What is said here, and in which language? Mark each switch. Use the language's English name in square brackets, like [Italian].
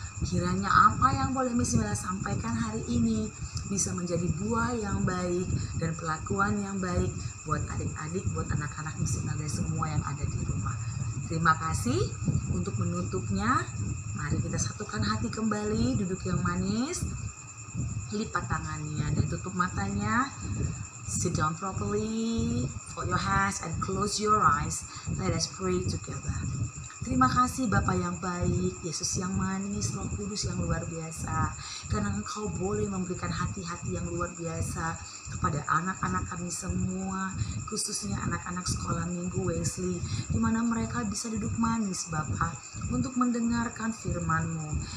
[Indonesian] Kiranya apa yang boleh Miss Imelda sampaikan hari ini bisa menjadi buah yang baik dan perlakuan yang baik buat adik-adik, buat anak-anak Miss Imelda semua yang ada di rumah. Terima kasih. Untuk menutupnya, mari kita satukan hati kembali, duduk yang manis, lipat tangannya dan tutup matanya. [English] Sit down properly, fold your hands and close your eyes. Let us pray together. [Indonesian] Terima kasih Bapa yang baik, Yesus yang manis, Roh Kudus yang luar biasa. Karena Engkau boleh memberikan hati-hati yang luar biasa kepada anak-anak kami semua, khususnya anak-anak sekolah Minggu Wesley, di mana mereka bisa duduk manis Bapa untuk mendengarkan firman-Mu.